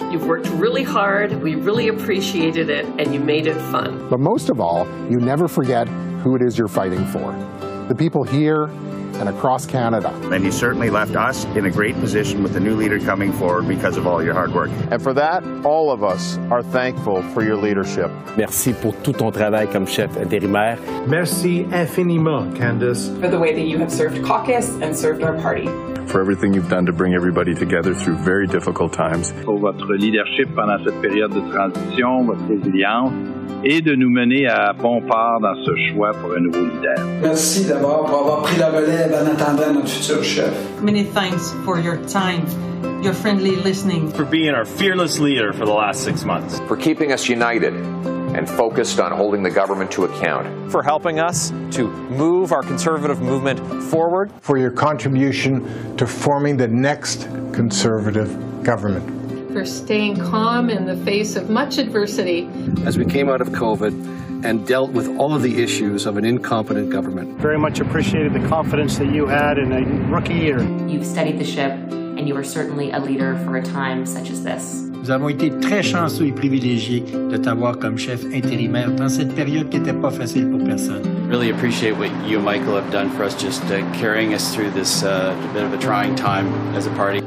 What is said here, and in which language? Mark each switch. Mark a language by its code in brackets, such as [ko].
[en] You've worked really hard, we really appreciated it, and you made it fun. But most of all, you never forget who it is you're fighting for. The people here and across Canada. And you certainly left us in a great position with the new leader coming forward because of all your hard work. And for that, all of us are thankful for your leadership. [fr] Merci pour tout ton travail comme chef intérimaire. Merci infiniment, Candice. [en] For the way that you have served caucus and served our party. For everything you've done to bring everybody together through very difficult times. [fr] Pour votre leadership pendant cette période de transition, votre résilience, et de nous mener à bon port dans ce choix pour un nouveau leader. Merci d'abord pour avoir pris la relève en attendant notre futur chef. [en] Many thanks for your time, your friendly listening. For being our fearless leader for the last 6 months. For keeping us united and focused on holding the government to account. For helping us to move our Conservative movement forward. For your contribution to forming the next Conservative government. for staying calm in the face of much adversity. As we came out of COVID and dealt with all of the issues of an incompetent government. Very much appreciated the confidence that you had in a rookie year. You've studied the ship, and you were certainly a leader for a time such as this. [fr] Nous avons été très chanceux et privilégiés de t'avoir comme chef intérimaire dans cette période qui n'était pas facile pour personne. [en] Really appreciate what you, Michael, have done for us, just carrying us through this bit of a trying time as a party.